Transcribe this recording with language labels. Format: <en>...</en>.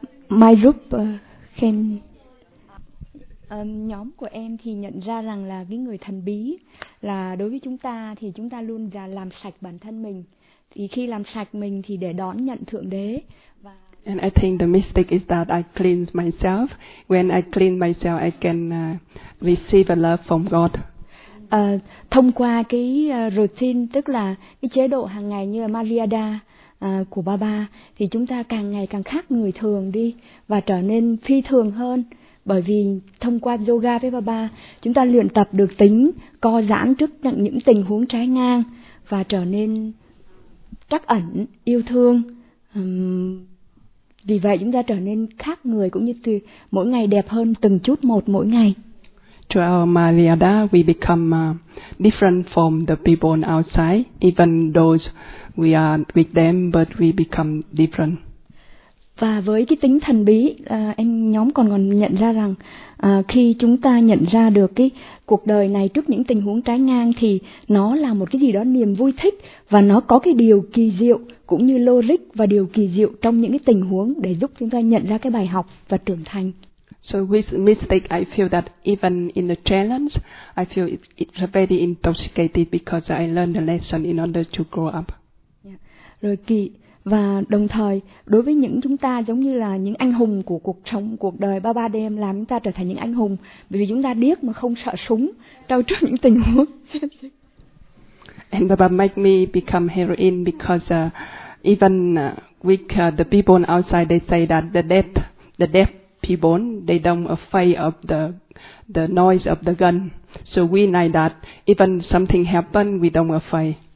<en>My group can</en> <vi>nhóm của em thì nhận ra rằng là cái người thần bí là đối với chúng ta thì chúng ta luôn làm sạch bản thân mình, thì khi làm sạch mình thì để đón nhận Thượng Đế. Và</vi> <en>And I think the mystic is that I cleanse myself. When I clean myself, I can receive a love from God.</en> <vi>Thông qua cái routine, tức là cái chế độ hàng ngày như là Mariada của Baba, thì chúng ta càng ngày càng khác người thường đi và trở nên phi thường hơn. Bởi vì thông qua yoga với Baba, chúng ta luyện tập được tính co giãn trước những tình huống trái ngang và trở nên trắc ẩn, yêu thương. Vì vậy chúng ta trở nên khác người, cũng như từ mỗi ngày đẹp hơn từng chút một mỗi ngày.</vi> <en>Through our Mariada, we become different from the people outside, even those we are with them, but we become different.</en> <vi>Và với cái tính thần bí, em nhóm còn nhận ra rằng khi chúng ta nhận ra được cái cuộc đời này trước những tình huống trái ngang thì nó là một cái gì đó niềm vui thích, và nó có cái điều kỳ diệu cũng như logic và điều kỳ diệu trong những cái tình huống để giúp chúng ta nhận ra cái bài học và trưởng thành.</vi> <en>So with mystic, I feel that even in the challenge, I feel it's very intoxicated because I learned the lesson in order to grow up.</en> <vi>Rồi kỳ. Và đồng thời, đối với những chúng ta giống như là những anh hùng của cuộc sống, cuộc đời Baba đêm làm chúng ta trở thành những anh hùng, bởi vì chúng ta điếc mà không sợ súng trong những tình huống.</vi> <en>And Baba make me become heroine because even with the people outside, they say that the deaf people, they don't afraid of the noise of the gun. So we know that even something happen, we don't afraid.</en>